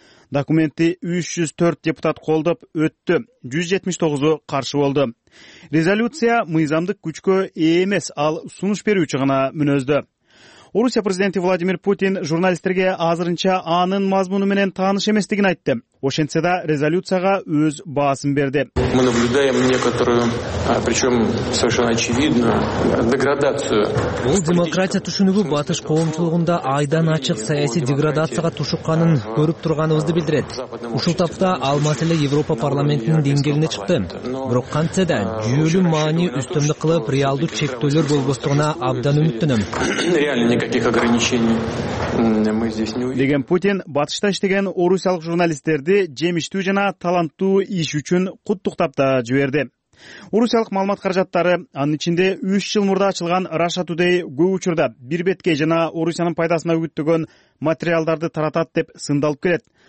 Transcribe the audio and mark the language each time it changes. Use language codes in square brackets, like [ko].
[ky] Документти 304 депутат колдоп өттү, 179 каршы болду. Резолюция мыйзамдык күчкө ээ эмес, ал сунуш берүүчү гана мүнөздө. Орусия президенти Владимир Путин журналисттерге азырынча анын мазмуну менен тааныш эместигин айтты. Ошентсе да резолюцияга өз баасын берди. [ru] Мы наблюдаем некоторую, причем совершенно очевидно, деградацию. [ky] Бул демократия түшүнүгү батыш коомчулугунда айдан ачык саясий деградацияга тушукканын көрүп турганыбызды билдирет. Ушул тапта ал маселе Европа парламентинин деңгээлине чыкты. Бирок кантсе да жүйөлүү маани үстөмдүк кылып, реалдуу чектөөлөр болбостугуна абдан үмүттөнөм. [ru] Реально никаких ограничений мы здесь не увидим. [ky] Деген Путин батышта иштеген орусиялык журналист жемиштүү жана таланттуу иш үчүн куттуктап да жиберди. Орусиялык маалымат каражаттары, анын ичинде 3 жыл мурда ачылган Russia Today көп учурда бирбеткей жана Орусиянын пайдасына үгүттөгөн материалдарды таратат деп сындалып келет.